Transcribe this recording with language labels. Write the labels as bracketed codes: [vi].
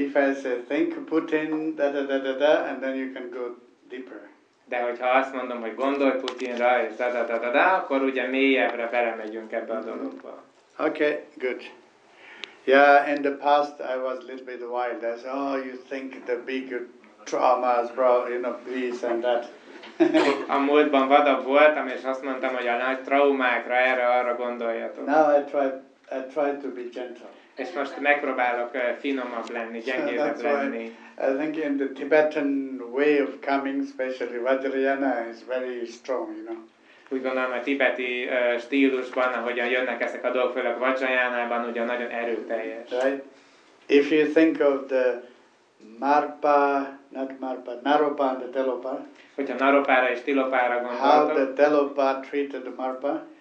[en] if I say, think Putin, da-da-da-da-da, and then you can go deeper. [hu] De hogyha azt mondom, hogy gondolj Putyinra, és da-da-da-da-da, akkor ugye mélyebbre belemegyünk ebbe a dologba. [en] Okay, good. Yeah, in the past I was a little bit wild. I said, oh, you think the big traumas, bro, you know, this and that. [hu] A múltban vadabb voltam, és azt mondtam, hogy a nagy traumákra, erre, arra gondoljatok. [en] Now I try to be gentle. [hu] És most megpróbálok finomabb lenni, gyengébb lenni. [en] I think in the Tibetan way of coming, especially Vajrayana, is very strong, you know. [hu] Úgy gondolom, a tibeti stílusban, ahogyan jönnek ezek a dolgok, főleg Vajrayanában, ugye nagyon erőteljes. [en] Right? If you think of the Marpa, not Marpa, Naropa and the Telopa. [hu] Hogyha Naropára és Tilopára gondoltam. [en] How the Telopa treated Marpa.